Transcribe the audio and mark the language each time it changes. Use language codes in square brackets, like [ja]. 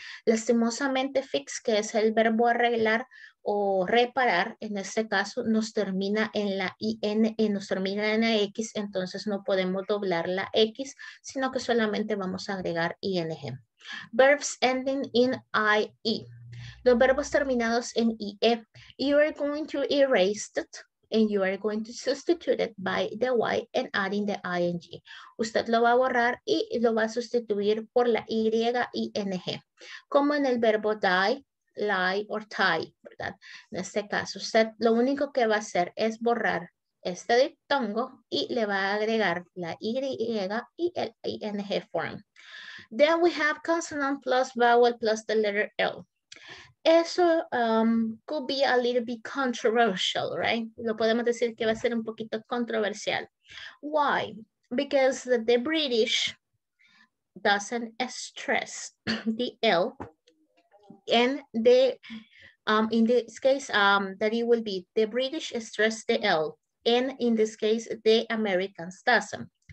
[es] Lastimosamente, fix, que es el verbo arreglar o reparar, en este caso nos termina en la IN, nos termina en la X, entonces no podemos doblar la X, sino que solamente vamos a agregar ING. [en] Verbs ending in IE. [es] Los verbos terminados en IE, [en] you are going to erase it and you are going to substitute it by the Y and adding the ING. [es] Usted lo va a borrar y lo va a sustituir por la Y-I-N-G. Como en el verbo die, lie or tie, ¿verdad? En este caso, usted lo único que va a hacer es borrar este diptongo y le va a agregar la Y y el ING form. [en] Then we have consonant plus vowel plus the letter L. [es] Eso [en] could be a little bit controversial, right? [es] Lo podemos decir que va a ser un poquito controversial. [en] Why? Because the British doesn't stress the L and the, in this case, that it will be the British stress the L and in this case, the Americans doesn't.